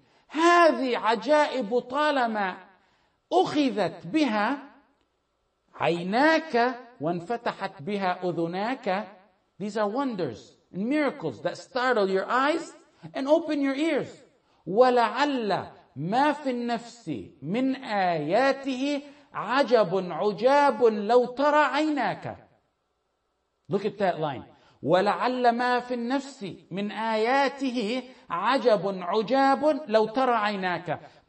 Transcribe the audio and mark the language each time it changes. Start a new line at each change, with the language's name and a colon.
Arabic: هذه عجائب طالما أخذت بها عيناك وانفتحت بها أذناك.
English: These are wonders and miracles that startle your eyes and open your ears.
Arabic: ولعل ما في النفس من آياته عجب عجاب لو ترى عيناك.
English: Look at that line.
Arabic: ولعل ما في النفس من آياته عجب عجاب لو ترى عيناك.